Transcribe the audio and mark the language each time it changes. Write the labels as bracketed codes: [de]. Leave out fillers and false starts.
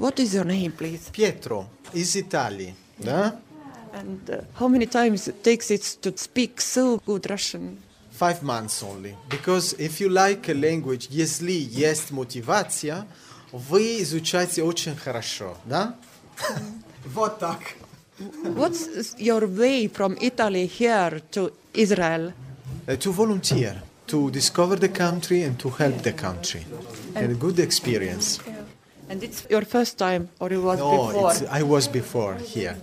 [en] What is your name, please? Pietro, is Itali. Da? And how many times it takes it to speak so good Russian? 5 months only. Because if you like a language, [ru] если есть мотивация, вы изучаете очень хорошо, да? Вот так. [en] What's your way from Italy here to Israel? To volunteer, to discover the country and to help the country. And a good experience. And it's your first time, or you was no, before? No, I was before here.